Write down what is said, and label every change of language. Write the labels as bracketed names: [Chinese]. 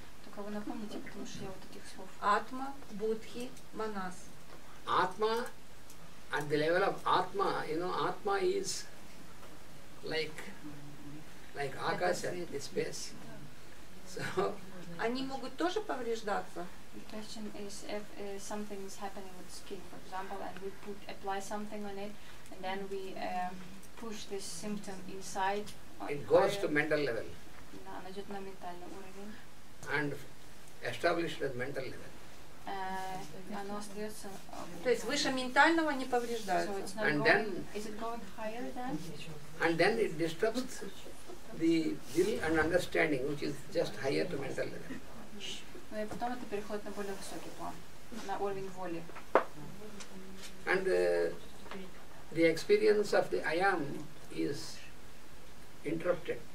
[Russian] Только вы напомните, потому что я вот этих слов. Атма, будхи, манас. [English] Атма, at the level of атма, you know, атма is like Акаша, the space. So [Russian] они могут тоже повреждаться. [English] The question is if something is happening with skin, for example, and we apply something on it, and then we push this symptom inside. It goes to mental level. [Russian] Да, она идет на ментальный уровень. [English] And established at mental level. [Russian] Оно остается. То есть выше ментального не повреждается. [English] So it's not and going, then, is it going higher than? And then it disturbs the will and understanding, which is just higher to mental level. [Russian] Ну и потом это переходит на более высокий план, на уровень воли. [English] And the experience of the I am is interrupted.